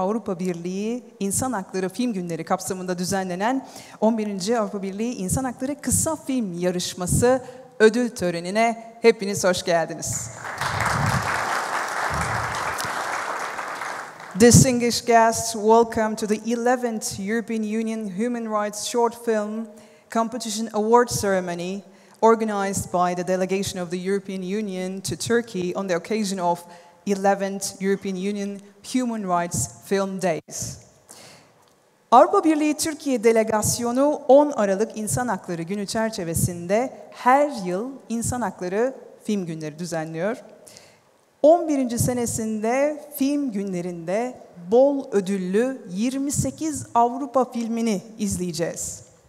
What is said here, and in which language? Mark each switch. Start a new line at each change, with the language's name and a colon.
Turkish: Avrupa Birliği İnsan Hakları Film Günleri kapsamında düzenlenen 11. Avrupa Birliği İnsan Hakları Kısa Film Yarışması Ödül Töreni'ne hepiniz hoş geldiniz.
English: Distinguished guests, welcome to the 11th European Union Human Rights Short Film Competition Award Ceremony organized by the delegation of the European Union to Turkey on the occasion of 11th European Union Human Rights Film Days.
Turkish: Avrupa Birliği Türkiye Delegasyonu 10 Aralık İnsan Hakları Günü çerçevesinde her yıl İnsan Hakları Film Günleri düzenliyor. 11. senesinde film günlerinde bol ödüllü 28 Avrupa filmini izleyeceğiz.